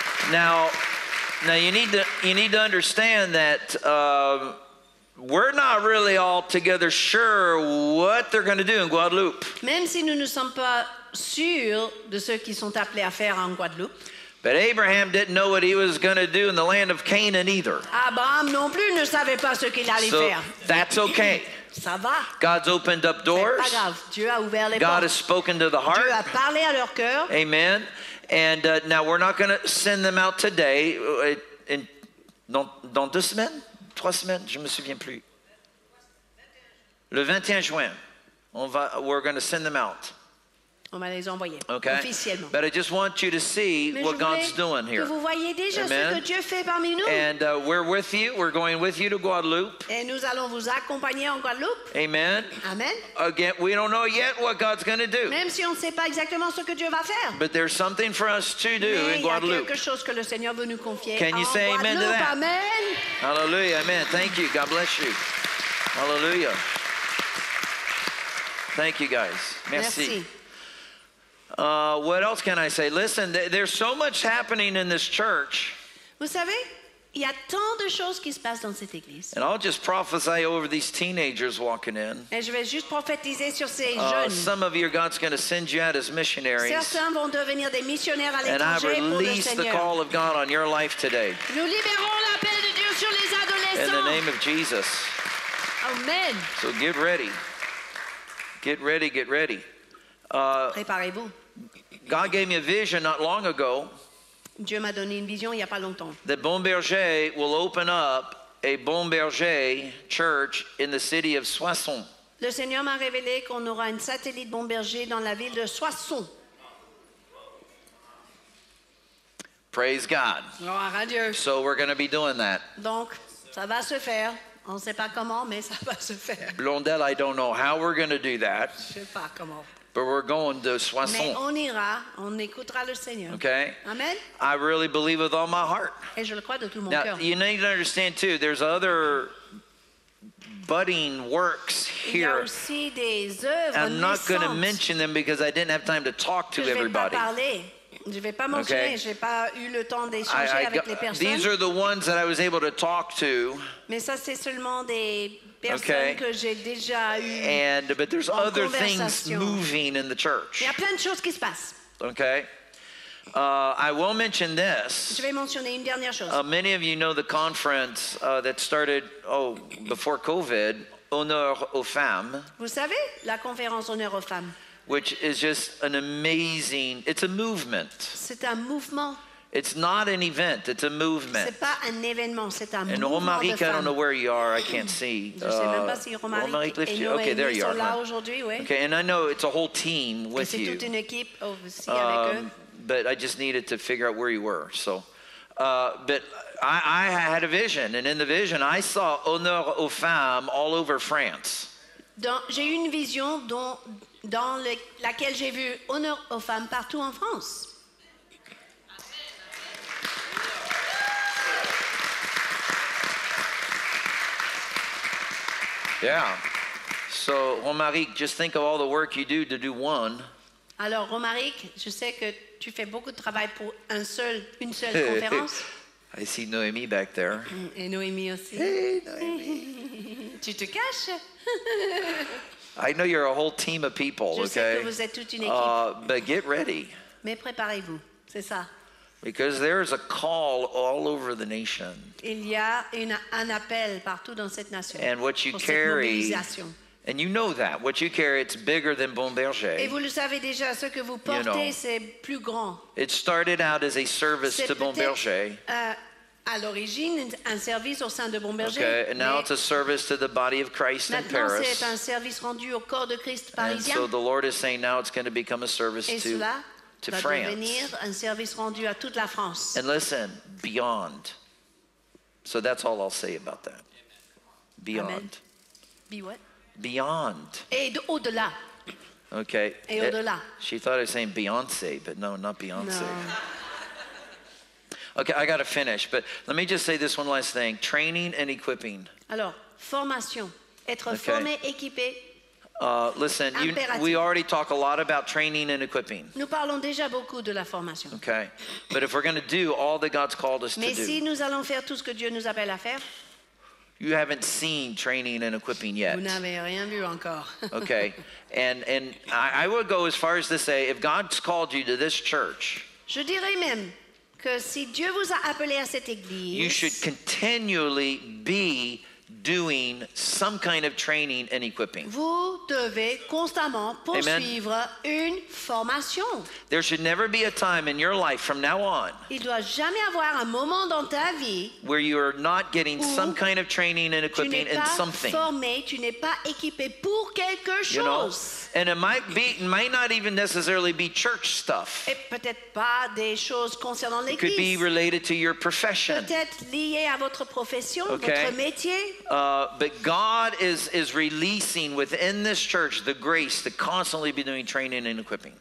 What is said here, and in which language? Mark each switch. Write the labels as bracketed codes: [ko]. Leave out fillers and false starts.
[en] Now you need to understand that we're not really all together sure what they're going to do in Guadeloupe. [fr] Même si nous ne sommes pas sûrs de ce qu'ils sont appelés à faire en Guadeloupe. [en] But Abraham didn't know what he was going to do in the land of Canaan either. [fr] Abraham non plus ne savait pas ce qu'il allait [en] so [fr] faire. [en] That's okay. [fr] Ça va. [en] God's opened up doors. [fr] C'est pas grave. Dieu a ouvert les [en] God [fr] portes. [en] Has spoken to the heart. [fr] Dieu a parlé à leur cœur. [en] Amen. And now we're not going to send them out today. [fr] In dans deux semaines, trois semaines, je me souviens plus. Le 21 juin, [en] we're going to send them out. [fr] On va les envoyer [en] okay. [fr] officiellement. [en] But I just want you to see [fr] Mais [en] what God's doing here. [fr] Que vous voyez déjà [en] Amen. [fr] Ce que Dieu fait parmi nous. [en] And we're with you. We're going with you to Guadeloupe. [fr] Et nous allons vous accompagner en Guadeloupe. [en] Amen. Amen. Again, we don't know yet what God's going to do. [fr] Même si on ne sait pas exactement ce que Dieu va faire. [en] But there's something for us to do [fr] Mais [en] in Guadeloupe. [fr] Il y a quelque chose que le Seigneur veut nous confier. [en] Can you say Guadeloupe. Amen to that? Amen. Hallelujah. Amen. Thank you. God bless you. Hallelujah. Thank you, guys. Merci. [fr] Merci. [en] What else can I say? Listen, there's so much happening in this church. [fr] Vous savez, il y a tant de choses qui se passent dans cette église. [en] And I'll just prophesy over these teenagers walking in. [fr] Et je vais juste prophétiser sur ces jeunes. [en] Some of you, God's going to send you out as missionaries. [fr] Certains vont devenir des missionnaires à l'étranger pour le [en] Seigneur. And I release the call of God on your life today. [fr] Nous libérons l'appel de Dieu sur les adolescents. [en] In the name of Jesus. Amen. So get ready. Get ready, get ready. [fr] Préparez-vous. [en] God gave me a vision not long ago. [fr] Dieu m'a donné une vision il y a pas longtemps. [en] That Bon Berger will open up a Bon Berger church in the city of Soissons. [fr] Le Seigneur m'a révélé qu'on aura une satellite Bon Berger dans la ville de Soissons. [en] Praise God. [fr] Gloire à Dieu. So we're going to be doing that. Donc, ça va se faire. On ne sait pas comment, mais ça va se faire. [en] Blondel, I don't know how we're going to do that. [fr] Je sais pas comment. [en] But we're going to Soissons. [fr] Mais on ira, on écoutera le Seigneur. [en] Okay. Amen. I really believe with all my heart. [fr] Et je le crois de tout mon [en] Now, [fr] cœur. [en] You need to understand too, there's other budding works here. [fr] Il y a aussi des œuvres [en] I'm not going to mention them because I didn't have time to talk to [fr] je vais [en] everybody. [fr] Pas parler. Je vais pas mentionner, okay. J'ai pas eu le temps d'échanger avec les personnes. [en] These are the ones that I was able to talk to. [fr] Mais ça c'est seulement des personnes okay. que j'ai déjà eu. [en] And but there's other things moving in the church. [fr] Il y a plein de choses qui se passent. [en] Okay. I will mention this. [fr] Je vais mentionner une dernière chose. [en] Many of you know the conference that started before COVID, Honneur aux femmes. [fr] Vous savez la conférence Honneur aux femmes. [en] Which is just an amazing. It's a movement. [fr] C'est un mouvement. [en] It's not an event. It's a movement. [fr] C'est pas un événement. C'est un mouvement. [en] And Romaric, I don't know where you are. I can't see. [fr] Je sais même pas si Romaric [en] lift you. Okay, there you are. [fr] Là aujourd'hui, oui. [en] Okay, and I know it's a whole team with you. [fr] C'est toute une équipe aussi avec eux. [en] But I just needed to figure out where you were. So, but I had a vision, and in the vision, I saw Honneur aux femmes all over France. [fr] J'ai eu une vision dans laquelle j'ai vu Honneur aux femmes partout en France. [en] Yeah. So, Romaric, just think of all the work you do one. [fr] Alors, Romaric, je sais que tu fais beaucoup de travail pour une seule conférence. [en] I see Noémie back there. [fr] Et Noémie aussi. [en] Hey, Noémie. [fr] Tu te caches? [en] I know you're a whole team of people, [fr] je [en] okay? [fr] Je sais que vous êtes toute une équipe. [en] But get ready. [fr] Mais préparez-vous, c'est ça. [en] Because there is a call all over the nation. [fr] Il y a un appel partout dans cette nation. [en] And what you carry... And you know that what you carry, it's bigger than Bon Berger. [fr] Et vous le savez déjà, ce que vous portez, [en] you know, [fr] c'est plus grand. [en] It started out as a service [fr] c'est [en] to Bon Berger. [fr] À l'origine, un service au sein de Bon Berger. [en] Okay, and now it's a service to the body of Christ in Paris. [fr] Maintenant, c'est un service rendu au corps de Christ parisien. [en] And so the Lord is saying now it's going to become a service to France. [fr] Et cela va devenir un service rendu à toute la France. [en] And listen, beyond. So that's all I'll say about that. Beyond. Amen. Be what? Beyond. [fr] Et de, au-delà. [en] Okay. [fr] Et au-delà. [en] She thought I was saying Beyonce, but no, not Beyonce. No. Okay, I got to finish, but let me just say this one last thing. Training and equipping. [fr] Alors, formation. Être okay. formé, équipé. [en] Listen, we already talk a lot about training and equipping. [fr] Nous parlons déjà beaucoup de la formation. [en] Okay. But if we're going to do all that God's called us [fr] Mais si [en] do. [fr] Mais si nous allons faire tout ce que Dieu nous appelle à faire, [en] you haven't seen training and equipping yet. [fr] Vous n'avez rien vu encore. [en] Okay. And I would go as far as to say, if God's called you to this church, [fr] je dirais même que si Dieu vous a appelé à cette église, [en] you should continually be doing some kind of training and equipping. [fr] Vous devez constamment poursuivre une formation. [en] There should never be a time in your life from now on. [fr] Il doit jamais avoir un moment dans ta vie [en] where you are not getting some kind of training and equipping in something. [fr] Tu n'es pas équipé pour quelque chose. [en] You know, and it might not even necessarily be church stuff. [fr] Et peut-être pas des choses concernant l'église. [en] It could be related to your profession. [fr] Peut-être lié à votre profession, okay. votre métier. [en] But God is releasing within this church the grace to constantly be doing training and equipping.